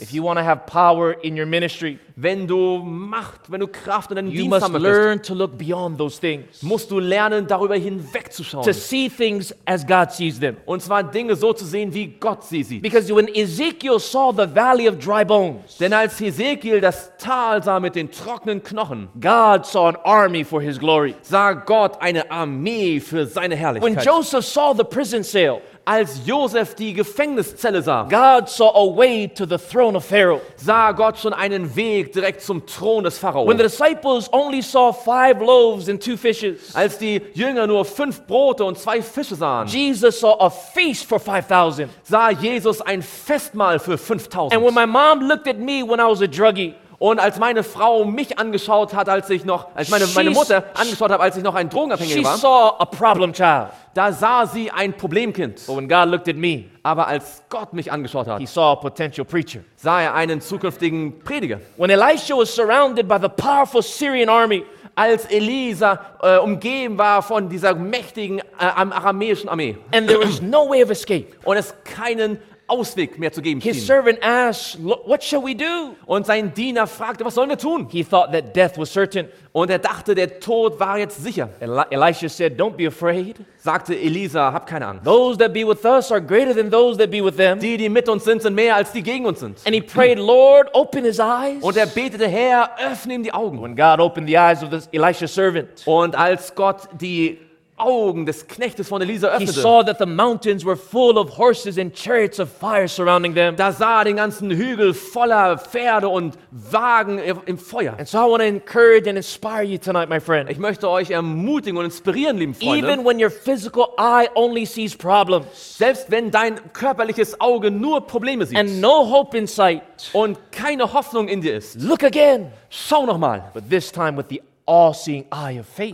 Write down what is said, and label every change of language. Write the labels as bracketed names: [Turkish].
[English] If you want to have power in your ministry, [German] wenn du Kraft in deinem [English] you [German] Dienst [English] must [German] haben [English] learn [German] möchtest, [English] to look beyond those things. [German] Musst du lernen, darüber hinwegzuschauen. [English] To see things as God sees them. [German] Und zwar Dinge so zu sehen, wie Gott sie sieht. [English] Because when Ezekiel saw the valley of dry bones, [German] denn als Ezekiel das Tal sah mit den trockenen Knochen, [English] God saw an army for his glory. [German] Sah Gott eine Armee für seine Herrlichkeit. [English] When Joseph saw the prison cell, [German] als Josef die Gefängniszelle sah, [English] God saw a way to the throne of Pharaoh. [German] Sah Gott schon einen Weg direkt zum Thron des Pharao. [English] When the disciples only saw 5 loaves and 2 fishes, [German] als die Jünger nur 5 Brote und 2 Fische sahen, [English] Jesus saw a feast for 5,000. [German] Sah Jesus ein Festmahl für 5,000. [English] And when my mom looked at me when I was a druggie, [German] Und als meine Frau mich angeschaut hat, als meine Mutter angeschaut hat, als ich noch ein Drogenabhängiger war, [English] saw a problem child. [German] Da sah sie ein Problemkind. [English] But when God looked at me, [German] aber als Gott mich angeschaut hat, [English] he saw a potential preacher. [German] Sah er einen zukünftigen Prediger. [English] When Elisha was surrounded by the powerful Syrian army, [German] als Elisa umgeben war von dieser mächtigen aramäischen Armee, [English] and there was no way of escape. [German] Und es keinen Ausweg mehr zu geben schien. [English] His servant asked, "What shall we do?" [German] Und sein Diener fragte, was sollen wir tun? [English] He thought that death was certain. [German] Und er dachte, der Tod war jetzt sicher. [English] Elisha said, "Don't be afraid." [German] Sagte Elisa, hab keine Angst. [English] Those that be with us are greater than those that be with them. [German] Die, die mit uns sind, sind mehr als die gegen uns sind. [English] And he prayed, "Lord, open his eyes." [German] Und er betete, Herr, öffne ihm die Augen. [English] When God opened the eyes of this Elisha's servant. [German] Und als Gott die Augen des Knechtes von Elisa öffnete. [English] He saw that the mountains were full of horses and chariots of fire surrounding them. [German] Da sah den ganzen Hügel voller Pferde und Wagen im Feuer. [English] And so I want to encourage and inspire you tonight, my friend. [German] Ich möchte euch ermutigen und inspirieren, lieben Freunde. [English] Even when your physical eye only sees problems. [German] Selbst wenn dein körperliches Auge nur Probleme sieht. [English] And no hope in sight. [German] Und keine Hoffnung in dir ist. [English] Look again. [German] Schau nochmal. [English] But this time with the all-seeing eye of faith.